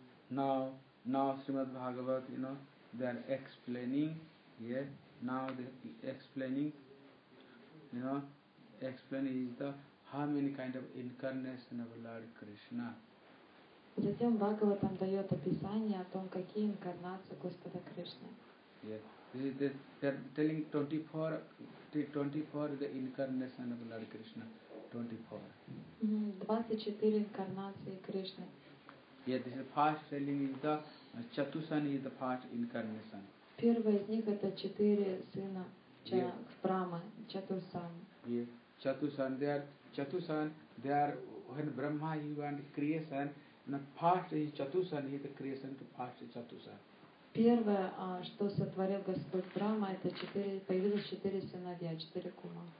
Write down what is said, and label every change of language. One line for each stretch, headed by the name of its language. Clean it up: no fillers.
English: Now Srimad Bhagavat, you know, they are explaining, explaining is the how many kind of incarnation of Lord Krishna.
Russian: Затем Бхагаватам дает описание о том, какие инкарнации Господа Кришны.
English: Yeah. This is they're telling 24 the incarnation of Lord Krishna. 24. 24 incarnation of Krishna. Yeah, this is the first telling is the Chatusan is the first incarnation.
Russian: Первый из них это четыре сына Брама, Chatusan.
English: Yeah. Chatusan, they are when Brahma he wanted creation, and the first is Chatusan is the creation to first Chatusan.
Russian: Первое, что сотворил Господь Брама, это появилось четыре сыновья, четыре кума.